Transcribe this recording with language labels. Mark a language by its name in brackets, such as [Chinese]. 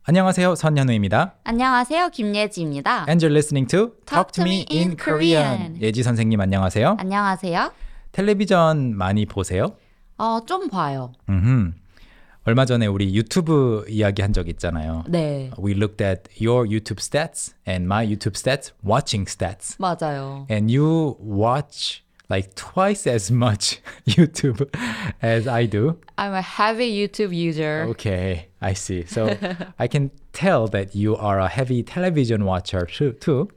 [Korean] 안녕하세요, 선현우입니다. 안녕하세요, 김예지입니다. [English] And you're listening to Talk to me in Korean. [Korean] 예지 선생님, 안녕하세요. 안녕하세요. 텔레비전 많이 보세요? 좀 봐요. 얼마 전에 우리 유튜브 이야기 한 적 있잖아요. 네. [English] We looked at your YouTube stats and my YouTube stats, watching stats. [Korean] 맞아요. [English] And you watch like twice as much YouTube as I do. I'm a heavy YouTube user. Okay, I see. So I can tell that you are a heavy television watcher too.